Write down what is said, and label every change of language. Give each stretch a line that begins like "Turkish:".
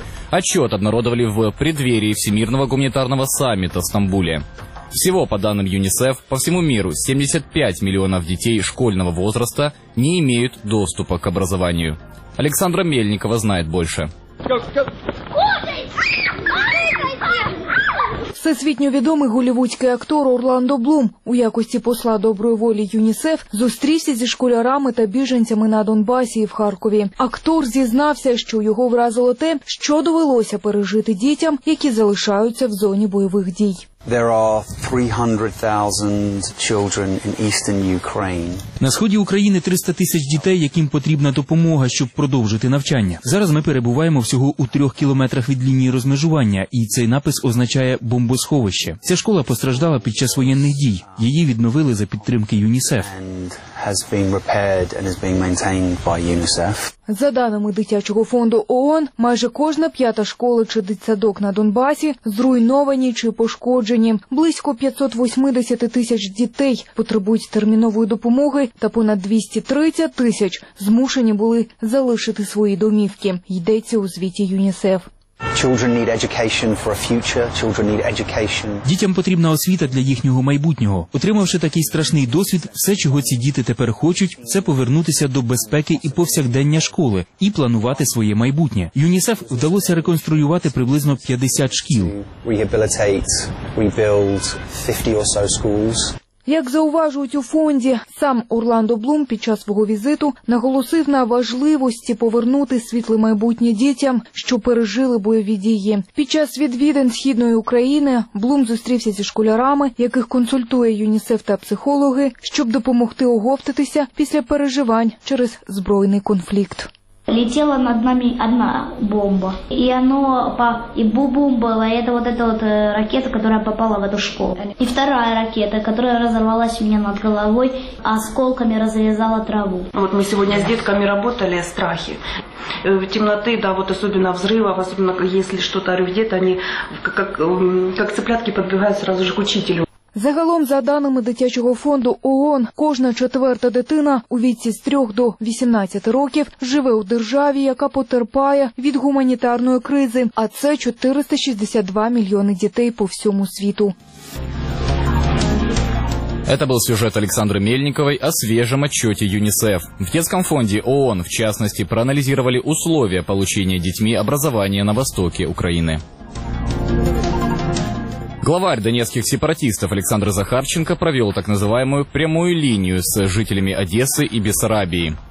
Russian: Отчет обнародовали в преддверии Всемирного гуманитарного саммита в Стамбуле. Всего, по данным ЮНИСЕФ, по всему миру 75 миллионов детей школьного возраста не имеют доступа к образованию. Александра Мельникова знает больше.
Ukrainian: Всесвітньо відомий голівудський актор Орландо Блум у якості посла доброї волі ЮНІСЕФ зустрівся зі школярами та біженцями на Донбасі і в Харкові. Актор зізнався, що його вразило те, що довелося пережити дітям, які залишаються в зоні бойових дій.
English: There are 300,000 children in eastern Ukraine.
Ukrainian: На сході України 300 тисяч дітей, яким потрібна допомога, щоб продовжити навчання. Зараз ми перебуваємо всього у 3 кілометрах від лінії розмежування, і цей напис означає бомбосховище. Ця школа постраждала під час воєнних дій. Її відновили за підтримки ЮНІСЕФ.
English: Has been repaired and is being maintained by UNICEF.
Ukrainian: За даними дитячого фонду ООН, майже кожна п'ята школа чи дитсадок на Донбасі зруйновані чи пошкоджені. Близько 580 тисяч дітей потребують термінової допомоги та понад 230 тисяч змушені були залишити свої домівки. Йдеться у звіті ЮНІСЕФ.
English: Children need education for a future. Children need education.
Ukrainian: Дітям потрібна освіта для їхнього майбутнього. Отримавши такий страшний досвід, все, чого ці діти тепер хочуть, це повернутися до безпеки і повсякдення школи і планувати своє майбутнє. ЮНІСЕФ вдалося реконструювати приблизно 50 шкіл.
English: Rehabilitate, rebuild 50 or so schools.
Ukrainian: Як зауважують у фонді, сам Орландо Блум під час свого візиту наголосив на важливості повернути світле майбутнє дітям, що пережили бойові дії. Під час відвідин Східної України Блум зустрівся зі школярами, яких консультує ЮНІСЕФ та психологи, щоб допомогти оговтатися після переживань через збройний конфлікт.
Russian: Летела над нами одна бомба, и оно и бу-бум-бала, это вот эта вот ракета, которая попала в эту школу. И вторая ракета, которая разорвалась у меня над головой, осколками разрезала траву. Вот мы сегодня с детками работали о страхе. Темноты, да, вот особенно взрывов, особенно если что-то рвет, они как цыплятки подбегают сразу же к учителю.
Ukrainian: Загалом, за даними дитячого фонду ООН, кожна четверта дитина у віці з 3 до 18 років живе у державі, яка потерпає від гуманітарної кризи. А це 462 мільйони дітей по всьому світу.
Russian: Это был сюжет Александры Мельниковой о свежем отчете ЮНИСЕФ. В детском фонде ООН, в частности, проанализировали условия получения детьми образования на востоке Украины. Главарь донецких сепаратистов Александр Захарченко провел так называемую «прямую линию» с жителями Одессы и Бессарабии.